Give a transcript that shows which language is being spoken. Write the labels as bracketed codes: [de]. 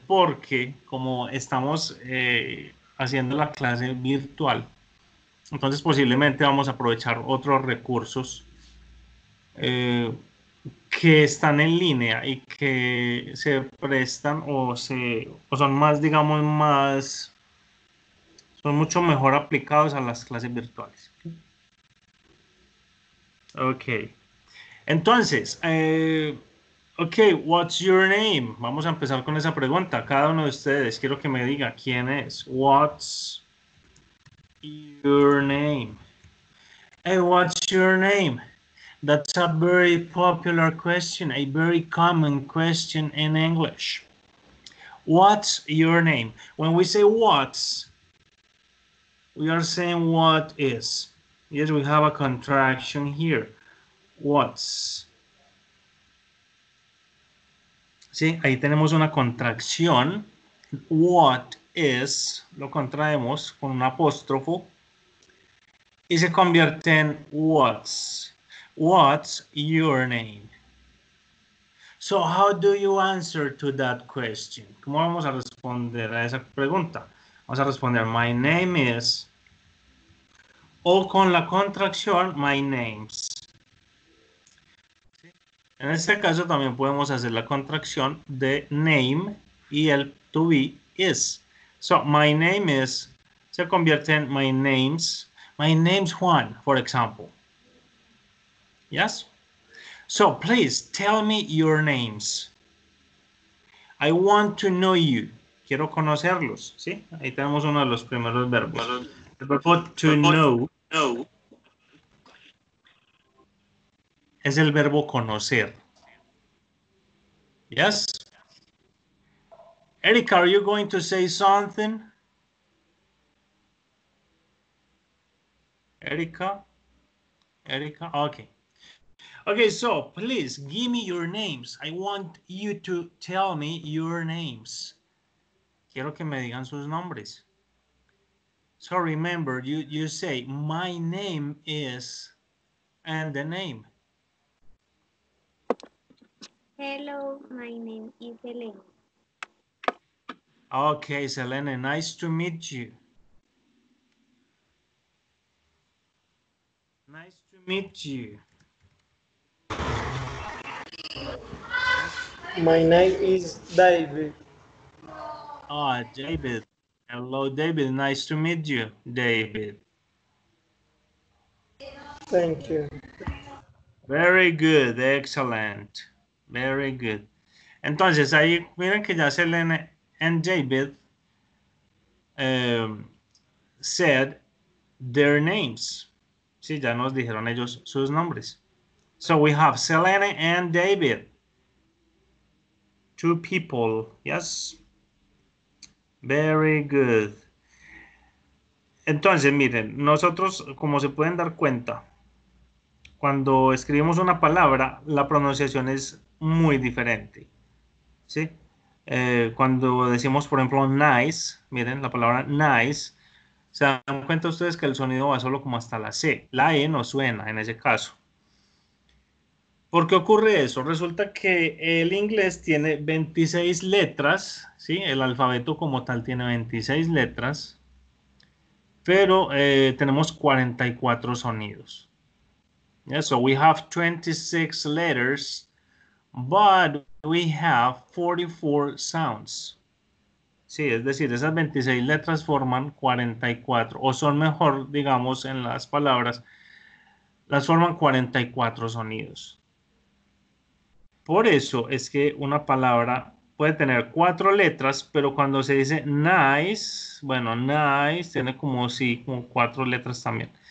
[es] Porque como estamos haciendo la clase virtual, entonces posiblemente vamos a aprovechar otros recursos que están en línea y que se prestan o son más, digamos, más, son mucho mejor aplicados a las clases virtuales. [en] Ok, [es] entonces, [en] ok, what's your name? [es] Vamos a empezar con esa pregunta. Cada uno de ustedes, quiero que me diga quién es. [en] What's your name? Hey, what's your name? That's a very popular question, a very common question in English. What's your name? When we say what's, we are saying what is. Yes, we have a contraction here. Was. [es] Sí, ahí tenemos una contracción. [en] What is, [es] lo contraemos con un apóstrofo y se convierte en [en] what's. What's your name? So, how do you answer to that question? [es] ¿Cómo vamos a responder a esa pregunta? Vamos a responder [en] my name is [es] o con la contracción [en] my name's. [es] En este caso también podemos hacer la contracción de name y el to be is. [en] So, my name is, [es] se convierte en [en] my name's Juan, for example. Yes? So, please tell me your names. I want to know you. [es] Quiero conocerlos, ¿sí? Ahí tenemos uno de los primeros verbos. El verbo [en] to know. [es] No. Es el verbo conocer. [en] Yes. Eric, are you going to say something? Erica? Erica? Okay. Okay, so please give me your names. I want you to tell me your names. [es] Quiero que me digan sus nombres. [en] So remember, you say my name is and the name. Hello, my name is Helen. Okay, Selene, nice to meet you. Nice to meet you. My name is David. Oh, David. Hello, David. Nice to meet you, David. Thank you. Very good. Excellent. Very good. [es] Entonces, ahí miren que ya [en] Selene and David said their names. [es] Sí, ya nos dijeron ellos sus nombres. [en] So we have Selene and David. Two people. Yes. Very good. [es] Entonces, miren, nosotros, como se pueden dar cuenta, cuando escribimos una palabra, la pronunciación es muy diferente, ¿sí? Cuando decimos, por ejemplo, nice, miren, la palabra nice, se dan cuenta ustedes que el sonido va solo como hasta la C. La E no suena en ese caso. ¿Por qué ocurre eso? Resulta que el inglés tiene 26 letras, ¿sí? El alfabeto como tal tiene 26 letras, pero tenemos 44 sonidos. [en] Yeah, so we have 26 letters, but we have 44 sounds. [es] Sí, es decir, esas 26 letras forman 44, o son mejor, digamos, en las palabras, las forman 44 sonidos. Por eso es que una palabra puede tener cuatro letras, pero cuando se dice nice, bueno, nice tiene como sí, como cuatro letras también.